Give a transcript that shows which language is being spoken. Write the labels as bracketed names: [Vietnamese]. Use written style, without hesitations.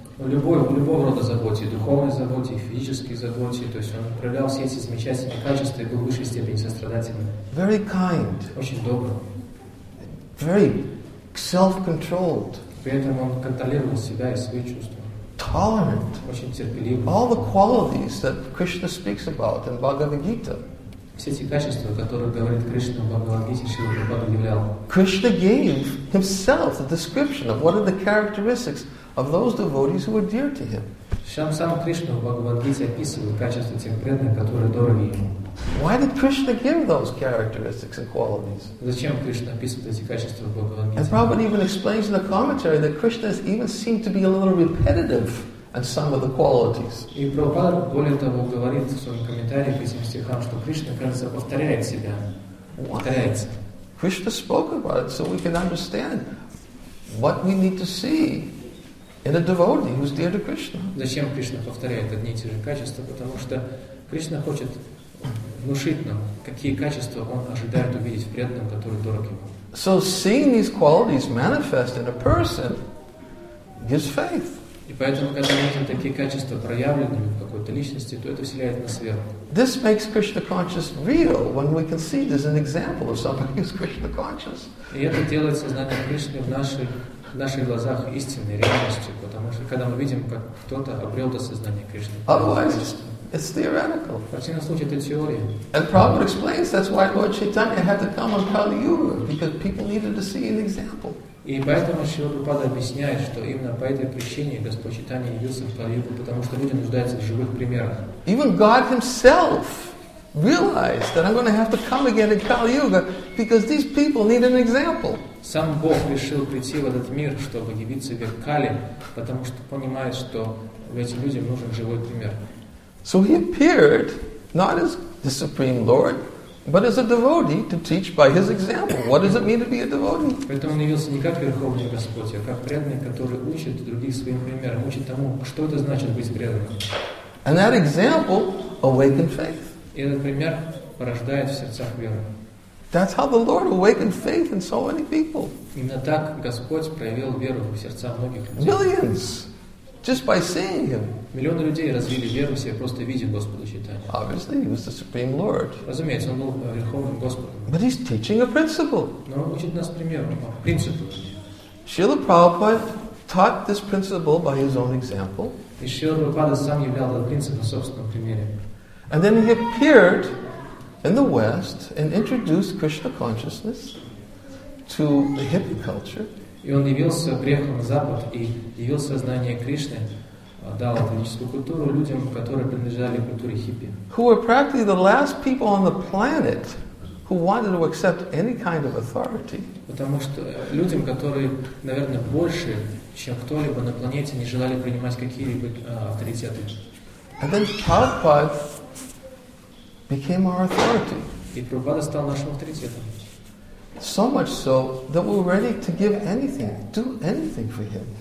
[Russian] Любого рода заботе, духовной заботе, физической заботе, то есть он проявлял все эти замечательные качества и был в высшей степени сострадательным. [English] Very kind. [Russian] Очень добрым. [English] Very self-controlled. [Russian] При этом он контролировал себя и свои чувства. [English] Tolerant. [Russian] Очень терпеливым. [English] All the qualities that Krishna speaks about in Bhagavad Gita. [Russian] Все эти качества, о которых говорит Кришна в Бхагавад Гите, Шрила Прабхупада являл. [English] Krishna gave himself the description of what are the characteristics of those devotees who are dear to him. [Russian] Сам Кришна в Бхагавад Гите описывает качества тех преданных, которые дороги ему. [English] Why did Krishna give those characteristics and qualities? [Russian] Зачем Кришна описывает эти качества в Бхагавад Гите? [English] And Prabhupada even explains in the commentary that Krishna has even seemed to be a little repetitive and some of the qualities. [Russian] И Прабхупада более того говорит в своем комментарии к этим стихам, что Кришна, кажется, повторяет себя. Повторяется. [English] Krishna spoke about it so we can understand what we need to see in a devotee who's dear to Krishna. [Russian] Зачем Кришна повторяет одни и те же качества? Потому что Кришна хочет внушить нам, какие качества он ожидает увидеть в преданном, который дорог ему. [English] So seeing these qualities manifest in a person gives faith. [Russian] И поэтому, когда мы видим такие качества проявленными в какой-то личности, то это вселяет нас веру. [English] This makes Krishna conscious real when we can see this as an example of somebody who's Krishna conscious. [Russian] И это делает сознание Кришны в наших глазах истинной реальностью, потому что когда мы видим, как кто-то обрел это сознание Кришны. [English] Otherwise, it's theoretical. [Russian] В противном случае это теория. [English] And Prabhupada explains that's why Lord Chaitanya had to come on Kali Yuga, because people needed to see an example. [Russian] И поэтому Шрила Прабхупада объясняет, что именно по этой причине Господь Чайтанья явился в Кали-Югу, потому что люди нуждаются в живых примерах. [English] Even God himself realized that I'm going to have to come again in Kali Yuga because these people need an example. [Russian] Сам Бог решил прийти в этот мир, чтобы явиться в Кали, потому что понимает, что этим людям нужен живой пример. [English] So he appeared not as the Supreme Lord, but as a devotee to teach by his example. What does it mean to be a devotee? [Russian] Поэтому он явился не как Верховный Господь, а как преданный, который учит других своим примером, учит тому, что это значит быть преданным. [English] And that example awakened faith. [Russian] И этот пример порождает в сердцах веру. [English] That's how the Lord awakened faith in so many people. [Russian] Именно так Господь проявил веру в сердца многих людей. [English] Millions, just by seeing Him. [Russian] Миллионы людей развили веру в себе, просто видя Господа Читания. [English] Obviously, He was the Supreme Lord. [Russian] Разумеется, Он был Верховным Господом. [English] But He's teaching a principle. [Russian] Но Он учит нас примеру, принципу. [English] Srila Prabhupada taught this principle by His own example. [Russian] И Srila Prabhupada сам являл этот принцип на собственном примере. [English] And then He appeared in the West and introduced Krishna consciousness to the hippie culture. [Russian] И он явился, приехал на Запад и явился знание Кришны, дал этническую культуру людям, которые принадлежали культуре хиппи. [English] Who were practically the last people on the planet who wanted to accept any kind of authority. [Russian] Потому что людям, которые, наверное, больше, чем кто-либо на планете, не желали принимать какие-либо авторитеты. [English] And then Prabhupada became our authority. [Russian] И Прабхупада стал нашим авторитетом. [English] So much so that we were ready to give anything, do anything for him.